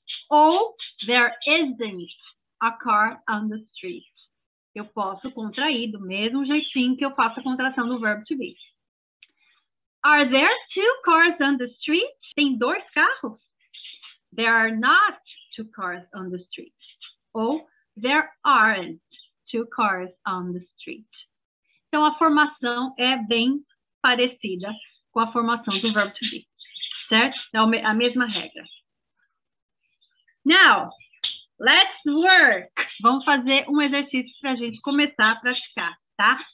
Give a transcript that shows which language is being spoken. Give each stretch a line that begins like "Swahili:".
English: Ou, there isn't a car on the street.
Portuguese: Eu posso contrair do mesmo jeitinho que eu faço a contração do verbo to be.
English: Are there two cars on the street?
Portuguese: Tem dois carros?
English: There are not two cars on the street. Ou, there aren't two cars on the street.
Portuguese: Então, a formação é bem parecida com a formação do verbo to be, certo? É a mesma regra.
English: Now, let's work!
Portuguese: Vamos fazer um exercício para a gente começar a praticar, tá?